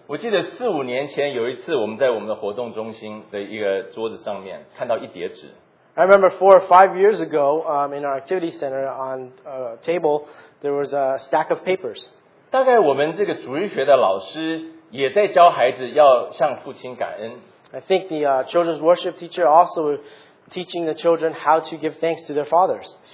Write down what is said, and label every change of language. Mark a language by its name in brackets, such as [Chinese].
[Chinese] 我记得四五年前有一次我们在我们的活动中心的一个桌子上面看到一叠纸。 [English] I remember 4 or 5 years ago in our activity center on a table, there was a stack of papers. [Chinese] 大概我们这个主日学的老师也在教孩子要向父亲感恩。 [English] I think the children's worship teacher also teaching the children how to give thanks to their fathers.